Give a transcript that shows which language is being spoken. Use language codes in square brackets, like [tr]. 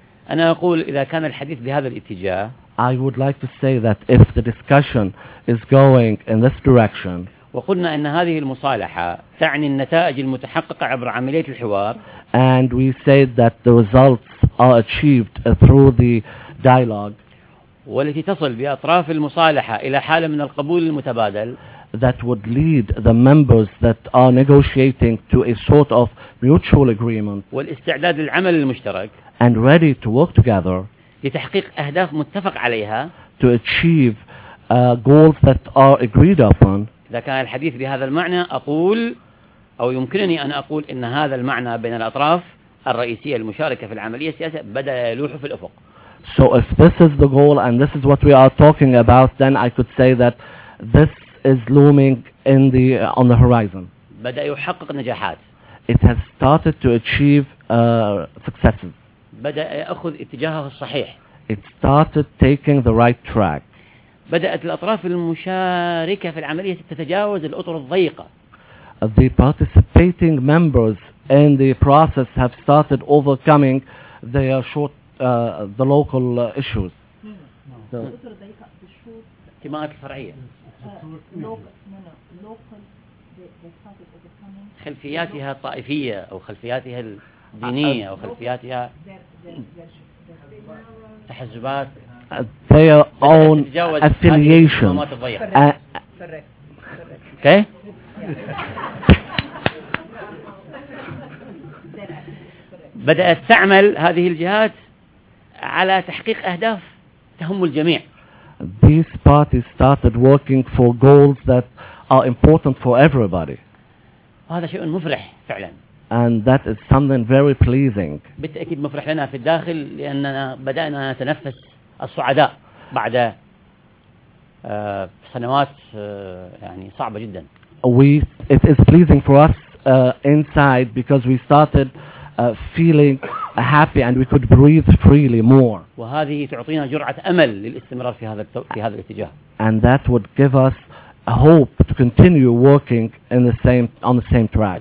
[ar] أنا أقول إذا كان الحديث بهذا الاتجاه. [en] I would like to say that if the discussion is going in this direction, [ar] وقلنا أن هذه المصالحة تعني النتائج المتحققة عبر عملية الحوار, [en] and we said that the results are achieved through the dialogue, [ar] والتي تصل بأطراف المصالحة إلى حالة من القبول المتبادل, [en] that would lead the members that are negotiating to a sort of mutual agreement, [ar] والاستعداد للعمل المشترك, [en] and ready to work together. [ar] لتحقيق أهداف متفق عليها. [en] To achieve goals that are agreed upon. [ar] إذا كان الحديث بهذا المعنى أقول أو يمكنني أن أقول إن هذا المعنى بين الأطراف الرئيسية المشاركة في العملية السياسية بدأ يلوح في الأفق. [en] So if this is the goal and this is what we are talking about, then I could say that this is looming in the on the horizon. [ar] بدأ يحقق نجاحات. [en] It has started to achieve successes. [ar] بدأ يأخذ اتجاهه الصحيح. [en] It started taking the right track. [ar] بدأت الأطراف المشاركة في العملية تتجاوز الأطر الضيقة. [en] The participating members in the process have started overcoming their local issues. [ar] الأسرة ضيقة بشروط اجتماعات الفرعية خلفياتها الطائفية أو خلفياتها الدينية أو خلفياتها تحزبات [en] their own affiliation [ar] okay بدأت تعمل هذه الجهات على تحقيق أهداف تهم الجميع. [en] These parties started working for goals that are important for everybody. [ar] وهذا شيء مفرح فعلا. [en] And that is something very pleasing. [ar] بالتأكيد مفرح لنا في الداخل لأننا بدأنا نتنفس الصعداء بعد سنوات يعني صعبة جدا. [en] It is pleasing for us inside because we started feeling happy and we could breathe freely more. [ar] وهذه تعطينا جرعة أمل للاستمرار في هذا الاتجاه. [en] And that would give us a hope to continue working in the same on the same track.